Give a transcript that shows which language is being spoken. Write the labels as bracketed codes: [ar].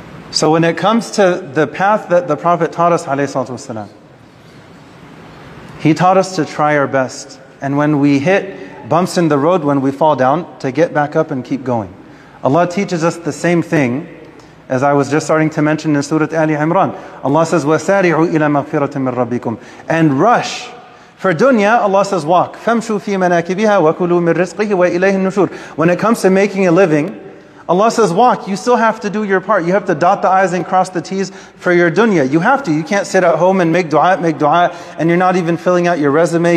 [en] So when it comes to the path that the Prophet taught us, [ar] عليه الصلاة والسلام, [en] he taught us to try our best. And when we hit bumps in the road, when we fall down, to get back up and keep going. Allah teaches us the same thing as I was just starting to mention in Surah Ali Imran. Allah says, [ar] وَسَارِعُوا إِلَى مَغْفِرَةٍ مِّن رَّبِّكُمْ. [en] And rush. For dunya, Allah says, walk. [ar] فَمْشُوا فِي مَنَاكِبِهَا وَكُلُوا مِّن رِزْقِهِ وَإِلَيْهِ النُّشُورِ. [en] When it comes to making a living, Allah says, walk, you still have to do your part. You have to dot the I's and cross the T's for your dunya. You have to. You can't sit at home and make dua, and you're not even filling out your resume.